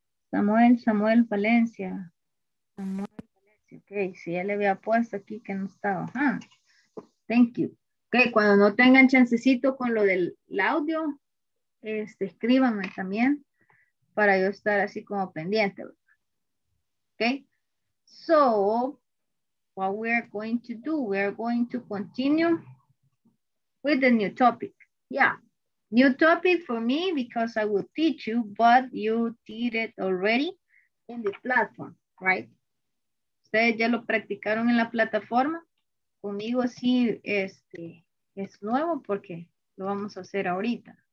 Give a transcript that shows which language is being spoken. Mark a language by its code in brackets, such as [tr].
[es] Samuel Valencia. Samuel Valencia. Ok, si ya le había puesto aquí que no estaba. Ajá. [en] Thank you. [es] Ok, cuando no tengan chancecito con lo del audio, escríbanme también para yo estar así como pendiente. Ok. [en] So, what we are going to do, we are going to continue with the new topic. Yeah, new topic for me because I will teach you, but you did it already in the platform, right? [es] Ustedes ya lo practicaron en la plataforma. Conmigo sí, es nuevo porque lo vamos a hacer ahorita.